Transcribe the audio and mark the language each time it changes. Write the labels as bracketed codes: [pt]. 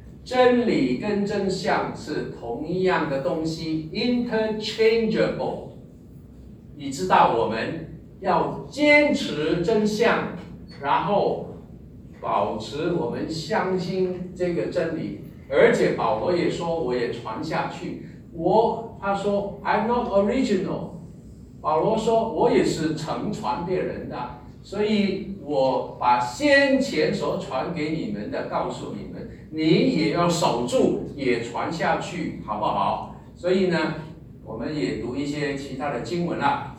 [zh] 真理跟真相是同一样的东西 ，interchangeable。你知道我们要坚持真相，然后保持我们相信这个真理，而且保罗也说，我也传下去。他说 [en] ，I'm not original。 [zh] 保罗说，我也是承传别人的，所以我把先前所传给你们的告诉你们。你也要守住，也传下去，好不好？所以呢，我们也读一些其他的经文了。